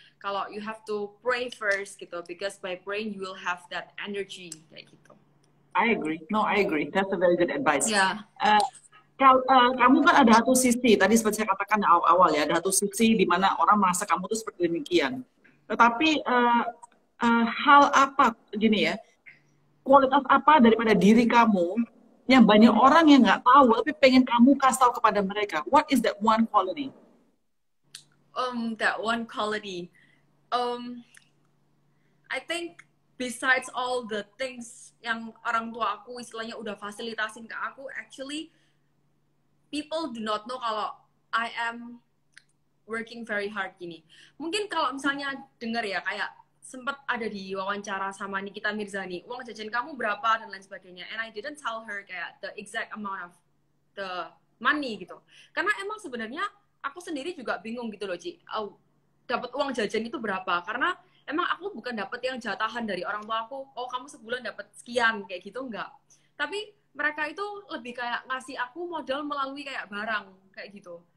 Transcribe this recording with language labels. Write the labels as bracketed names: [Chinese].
[Indonesian] Kalau [English] you have to pray first [Indonesian] gitu, [English] because by praying you will have that energy [Indonesian] kayak gitu. [English] I agree. That's a very good advice. Yeah. [Indonesian] Kamu kan ada satu sisi tadi seperti saya katakan awal-awal ya, ada satu sisi di mana orang merasa kamu tuh seperti demikian. Tetapi hal apa gini ya? Kualitas apa daripada diri kamu yang banyak orang yang enggak tahu tapi pengen kamu kasih tahu kepada mereka? [English] What is that one quality? That one quality. I think besides all the things [Indonesian] yang orang tua aku istilahnya udah fasilitasin ke aku, [English] actually people do not know [Indonesian] kalau [English] I am working very hard [Indonesian] gini. Mungkin kalau misalnya dengar ya, kayak sempat ada di wawancara sama Nikita Mirzani, uang jajan kamu berapa dan lain sebagainya. [English] And I didn't tell her [Indonesian] kayak [English] the exact amount of the money [Indonesian] gitu. Karena emang sebenarnya aku sendiri juga bingung gitu loh, Ci. Dapat uang jajan itu berapa? Karena emang aku bukan dapat yang jatahan dari orang tua aku. Oh, kamu sebulan dapat sekian kayak gitu, enggak. Tapi mereka itu lebih kayak ngasih aku modal melalui kayak barang kayak gitu.